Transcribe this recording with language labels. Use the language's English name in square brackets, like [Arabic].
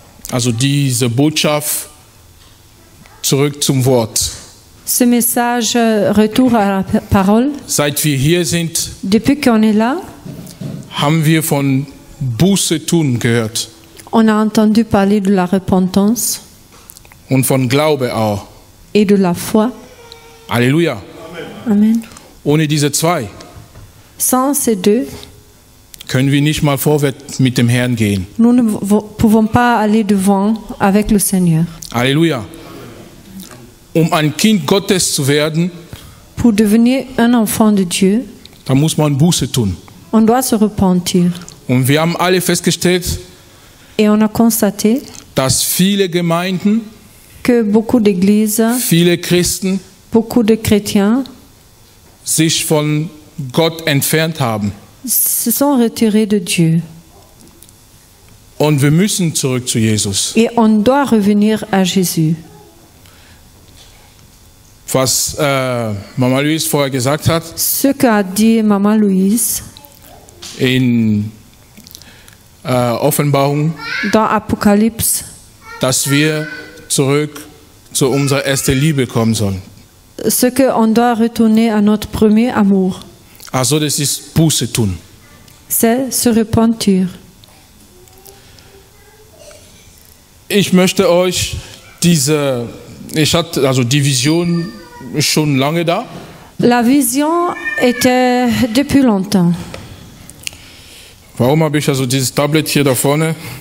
[German] Also diese Botschaft zurück zum Wort. [French] Ce message retour à la parole. [German] Seit wir hier sind, [French] depuis qu'on est là, [German] haben wir von Buße tun gehört. [French] On a entendu parler de la repentance. [German] Und von Glaube auch. [French] Et de la foi. Alléluia. Amen. [German] Ohne diese zwei. [French] Sans ces deux. [German] Können wir nicht mal vorwärts mit dem Herrn gehen. [French] Nous ne pouvons pas aller devant avec le Seigneur. Alléluia. [German] Um ein Kind Gottes zu werden. [French] Pour devenir un enfant de Dieu. [German] Da muss man Buße tun. [French] On doit se repentir. [German] Und wir haben alle festgestellt. [French] Et on a constaté. [German] Dass viele Gemeinden. [French] Que beaucoup d'églises, [German] viele Christen, [French] beaucoup de chrétiens, [German] sich von Gott entfernt haben. [French] Se sont retirés de Dieu. [German] Und wir müssen zurück zu Jesus. [French] Et on doit revenir à Jésus. [German] Was Mama Louise vorher gesagt hat. [French] Ce qu'a dit Mama Louise. [German] In Offenbarung. [French] Dans Apocalypse. [German] Dass wir zurück zu unserer ersten Liebe kommen sollen. [French] Ce que on doit retourner à notre premier amour. [German] Also das ist Buße tun. [French] C'est se repentir. [German] Ich möchte euch diese, ich hatte also die Vision schon lange da. [French] La vision était depuis longtemps. [German] Warum habe ich also dieses Tablet hier da vorne?